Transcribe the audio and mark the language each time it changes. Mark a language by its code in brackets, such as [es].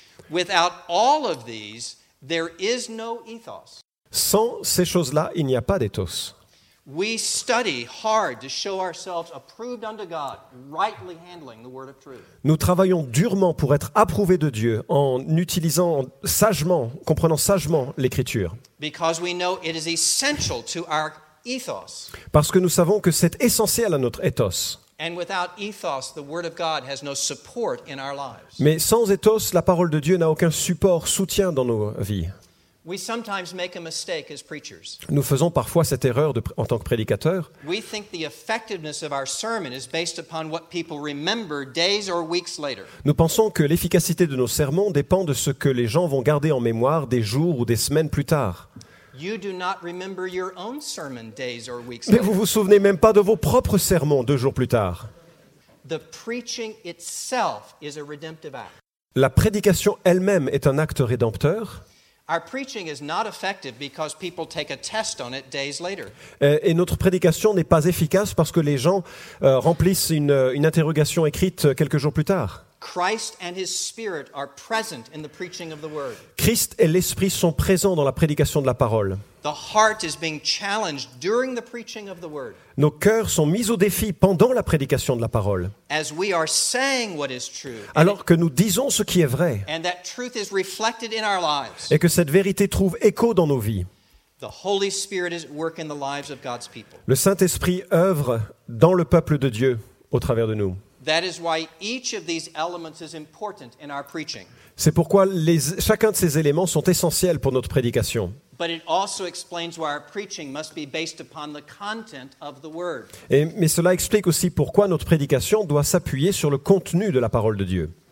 [en] Without all of these, there is no ethos. [fr] Sans ces choses-là, il n'y a pas d'éthos. [en] We study hard to show ourselves approved unto God, rightly handling the word of truth. [fr] Nous travaillons durement pour être approuvés de Dieu en utilisant sagement, comprenant sagement l'écriture. [en] Because we know it is essential to our ethos. [fr] Parce que nous savons que c'est essentiel à notre ethos. [en] And without ethos, the word of God has no support in our lives. [fr] Mais sans ethos, la parole de Dieu n'a aucun support, soutien dans nos vies. [en] We sometimes make a mistake as preachers. [fr] Nous faisons parfois cette erreur en tant que prédicateur. [en] We think the effectiveness of our sermon is based upon what people remember days or weeks later. [fr] Nous pensons que l'efficacité de nos sermons dépend de ce que les gens vont garder en mémoire des jours ou des semaines plus tard. [en] You do not remember your own sermon days or weeks later. [fr] Mais vous vous souvenez même pas de vos propres sermons deux jours plus tard. [en] The preaching itself is a redemptive act. [fr] La prédication elle-même est un acte rédempteur. [en] Our preaching is not effective because people take a test on it days later. [fr] Et notre prédication n'est pas efficace parce que les gens remplissent une interrogation écrite quelques jours plus tard. [en] Christ and his spirit are present in the preaching of the word. [fr] Christ et l'Esprit sont présents dans la prédication de la parole. [en] The heart is being challenged during the preaching of the word. [fr] Nos cœurs sont mis au défi pendant la prédication de la parole. [en] As we are saying what is true. [fr] Alors que nous disons ce qui est vrai. [en] And that truth is reflected in our lives. [fr] Et que cette vérité trouve écho dans nos vies. [en] The Holy Spirit is at work in the lives of God's people. [fr] Le Saint-Esprit œuvre dans le peuple de Dieu au travers de nous. [en] That is why each of these elements is important in our preaching. [fr] C'est pourquoi chacun de ces éléments sont essentiels pour notre prédication. [en] But it also explains why our preaching must be based upon the content of the word. [fr] Mais cela explique aussi pourquoi notre prédication doit s'appuyer sur le contenu de la parole de Dieu.